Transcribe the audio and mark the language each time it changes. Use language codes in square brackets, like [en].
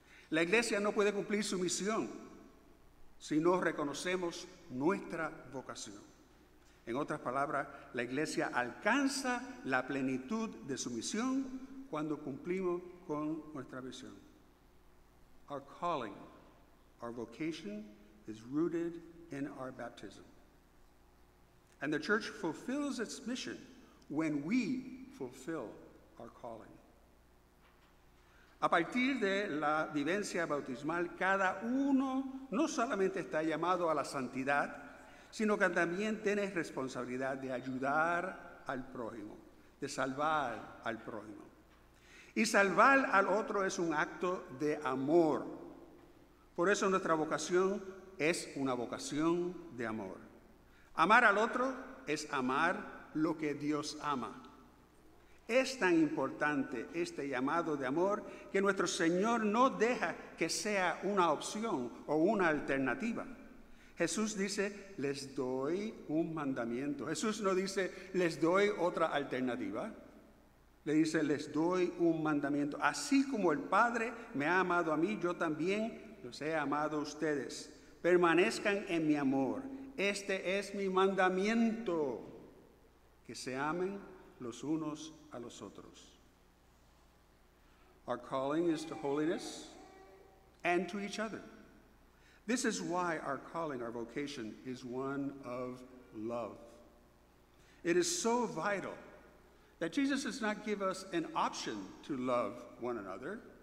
[es] La Iglesia no puede cumplir su misión si no reconocemos nuestra vocación. En otras palabras, la Iglesia alcanza la plenitud de su misión cuando cumplimos con nuestra misión. [en] Our calling, our vocation is rooted in our baptism. And the church fulfills its mission when we fulfill our calling. [es] A partir de la vivencia bautismal, cada uno no solamente está llamado a la santidad, sino que también tiene responsabilidad de ayudar al prójimo, de salvar al prójimo. Y salvar al otro es un acto de amor. Por eso nuestra vocación es una vocación de amor. Amar al otro es amar lo que Dios ama. Es tan importante este llamado de amor que nuestro Señor no deja que sea una opción o una alternativa. Jesús dice, les doy un mandamiento. Jesús no dice, les doy otra alternativa. Le dice, les doy un mandamiento. Así como el Padre me ha amado a mí, yo también los he amado a ustedes. Permanezcan en mi amor. Este es mi mandamiento, que se amen los unos a los otros. [en] Our calling is to holiness and to each other. This is why our calling, our vocation, is one of love. It is so vital that Jesus does not give us an option to love one another.